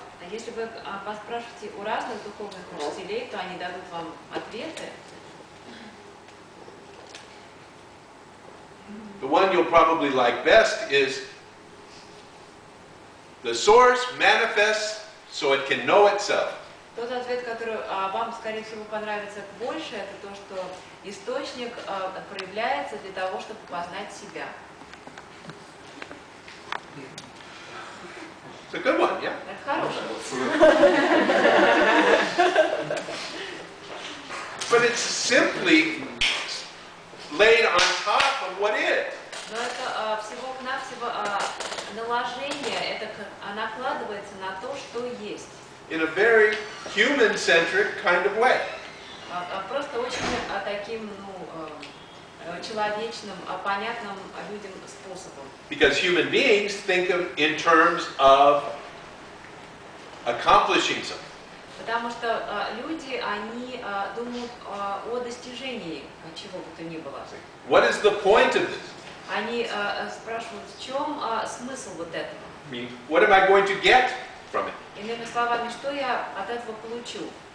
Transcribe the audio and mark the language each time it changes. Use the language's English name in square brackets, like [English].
[Russian] Если вы поспрашиваете у разных духовных учителей, то они дадут вам ответы. [English] The one you'll probably like best is the source manifests so it can know itself. [Russian] Тот ответ, который вам, скорее всего, понравится больше, это то, что источник проявляется для того, чтобы познать себя. [English] It's a good one, yeah? [Russian] Это хороший. [English] But it's simply laid on top of what is. [Russian] Но это всего-навсего наложение, это накладывается на то, что есть. [English] In a very human-centric kind of way. [Russian] Просто очень таким, ну, человечным, понятным людям способом. [English] Because human beings think of in terms of accomplishing something. [Russian] Потому что люди, они думают о достижении чего бы то ни было. [English] What is the point of this? [Russian] Они спрашивают, в чем смысл вот этого? [English] I mean, what am I going to get from it? [Russian] Иными словами, что я от этого получу?